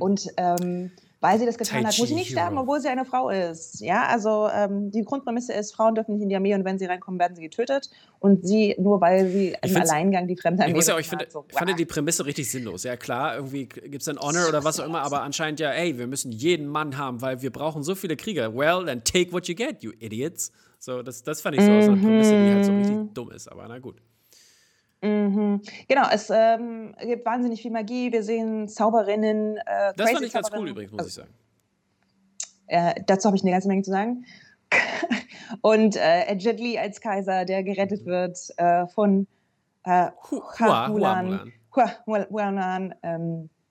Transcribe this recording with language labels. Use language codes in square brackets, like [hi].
[de] Und weil sie das getan hat, muss sie nicht sterben, obwohl sie eine Frau ist. Ja, also die Grundprämisse ist, Frauen dürfen nicht in die Armee und wenn sie reinkommen, werden sie getötet. Und sie, nur weil sie im Alleingang die fremde Armee ist. Ich fand die Prämisse richtig sinnlos. Ja klar, irgendwie gibt es ein Honor oder was auch immer, aber anscheinend ja, ey, wir müssen jeden Mann haben, weil wir brauchen so viele Krieger. [en] Well, then take what you get, you idiots. [de] So, das fand ich so aus einer Prämisse, die halt so richtig dumm ist, aber na gut. Mhm. Genau, es gibt wahnsinnig viel Magie. Wir sehen Zauberinnen. Das fand ich ganz cool übrigens, muss ich sagen. Dazu habe ich eine ganze Menge zu sagen. Und Jet Li als Kaiser, der gerettet wird von Hua Mulan.